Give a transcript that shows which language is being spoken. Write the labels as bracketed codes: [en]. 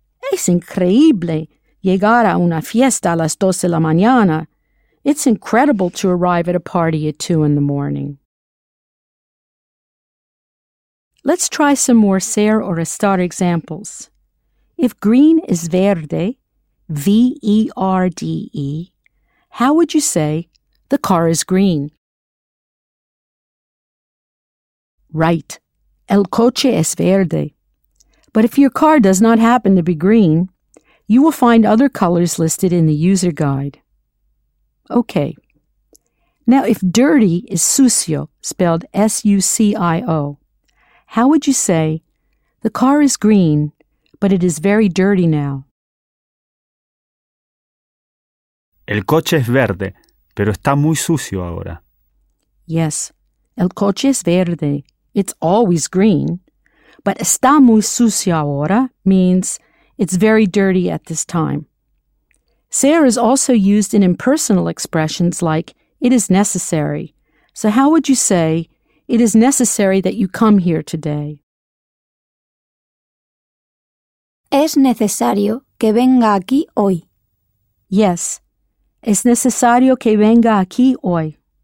[es] Es increíble llegar a una fiesta a las 2 de la mañana. [en] It's incredible to arrive at a party at 2 in the morning. Let's try some more ser or estar examples. If green is verde, V-E-R-D-E, how would you say, the car is green? Right. [es] El coche es verde. [en] But if your car does not happen to be green, you will find other colors listed in the user guide. Okay. Now, if dirty is sucio, spelled S-U-C-I-O, how would you say, the car is green, but it is very dirty now? [es] El coche es verde, pero está muy sucio ahora. [en] Yes, [es] el coche es verde. [en] It's always green. But [es] está muy sucio ahora [en] means it's very dirty at this time. Ser is also used in impersonal expressions like it is necessary. So how would you say, it is necessary that you come here today? [es] Es necesario que venga aquí hoy. [en] Yes. [es] Es necesario que venga aquí hoy.